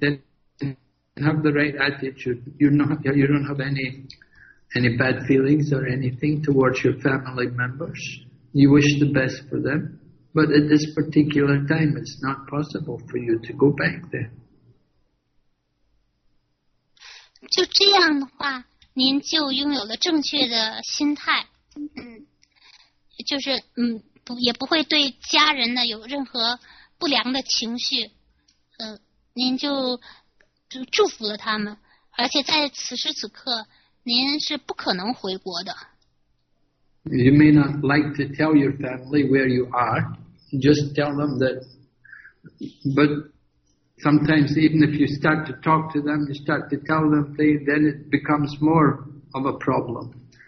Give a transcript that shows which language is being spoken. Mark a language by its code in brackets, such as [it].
[en] Then have the right attitude. You don't have any bad feelings or anything towards your family members. You wish the best for them, but at this particular time, it's not possible for you to go back there. [zh] 就这样的话，您就拥有了正确的心态，就是也不会对家人呢有任何不良的情绪，您就祝福了他们，而且在此时此刻，您是不可能回国的。 [en] You may not like to tell your family where you are, just tell them that. But sometimes even if you start to talk to them, you start to tell them, then it becomes more of a problem.